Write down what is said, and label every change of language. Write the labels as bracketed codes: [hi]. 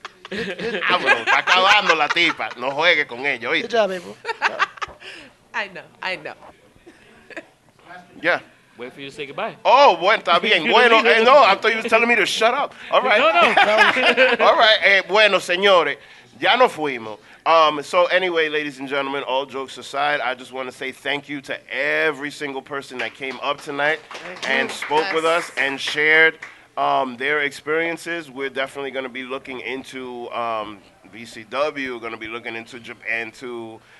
[es] La tipa. No juegue con ella. [en] Good job, April. I know. Yeah. Wait for you to say goodbye. [es] Oh, bueno, está bien. Bueno, no, [en] I thought you were telling me to shut up. All right. No. All right. [es] Bueno, señores, ya no fuimos. [en] So anyway, ladies and gentlemen, all jokes aside, I just want to say thank you to every single person that came up tonight and spoke with us and shared their experiences. We're definitely going to be looking into VCW, going to be looking into Japan too.